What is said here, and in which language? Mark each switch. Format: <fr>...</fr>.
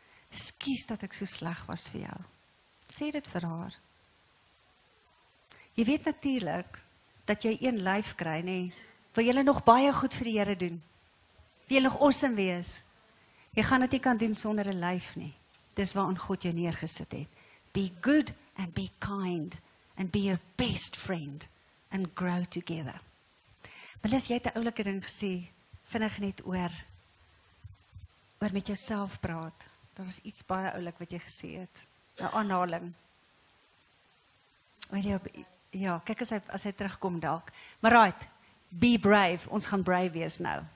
<af>Skus dat ek so sleg was vir jou. Sê dit vir haar. Jy weet natuurlik dat jy een lyf kry, nê? Wil jy nog baie goed vir die Here doen? Wil jy nog awesome wees? Jy gaan dit nie kan doen sonder 'n lyf nie. Dis waaraan God jou neergesit het.</af> <en>Be good and be kind and be your best friend and grow together.</en> <af>Melis, jy het 'n oulike ding gesê, vinnig net oor met jouself praat. Daar was iets baie oulik wat jy gesê het. 'N aanhaling. Wil jy op Ja, kyk as hy terugkom dalk. Maar right,</af> <en>be brave.</en> <af>Ons gaan brave wees nou.</af>